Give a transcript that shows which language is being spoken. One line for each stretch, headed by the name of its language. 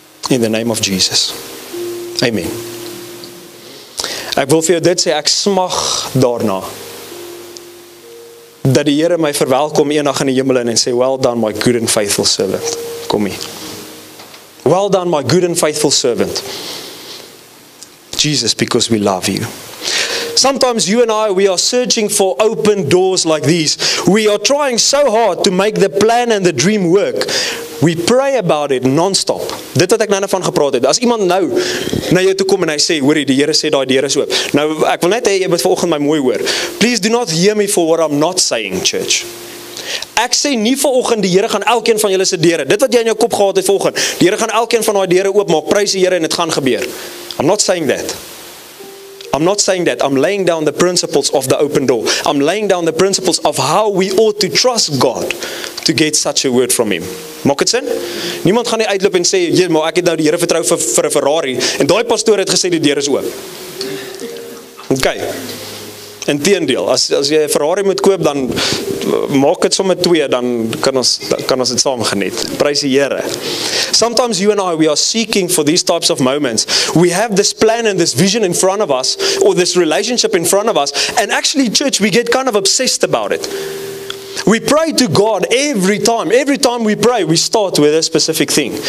English: In the name of Jesus. Amen.
Afrikaans: Ek wil vir jou dit sê, ek smag daarna dat die Here my verwelkom eendag in die hemel en sê,
English: well done my good and faithful servant.
Afrikaans: Kom hier.
English: Well done my good and faithful servant. Jesus, because we love you. Sometimes you and I, we are searching for open doors like these. We are trying so hard to make the plan and the dream work. We pray about it non-stop.
Afrikaans: Dit wat ek nou van gepraat het. As iemand nou na jou toe kom en hy sê, hoorie, die Here sê daai deur is oop. Nou, ek wil net hê jy moet vanoggend my mooi hoor.
English: Please do not hear me for what I'm not saying, church.
Afrikaans: Ek sê nie vanoggend die Here gaan elkeen van julle se deure. Dit wat jy in jou kop gehad het vanoggend. Die Here gaan elkeen van daai deure oopmaak. Prys die Here en dit gaan gebeur.
English: I'm not saying that.
Afrikaans: I'm not saying that.
English: I'm laying down the principles of the open door. I'm laying down the principles of how we ought to trust God to get such a word from him.
Afrikaans: Maak het sin? Niemand gaan nie uitloop en sê, jy, maar ek het nou die Here vertrou vir 'n Ferrari, en daai pastoor het gesê die deur is oop. Okay. Inteendeel, as jy 'n Ferrari moet koop, dan maak het sommer twee, dan kan ons dit saam geniet. Prys die Here.
English: Sometimes you and I, we are seeking for these types of moments. We have this plan and this vision in front of us, or this relationship in front of us, and actually, church, we get kind of obsessed about it. We pray to God every time. Every time we pray, we start with a specific thing.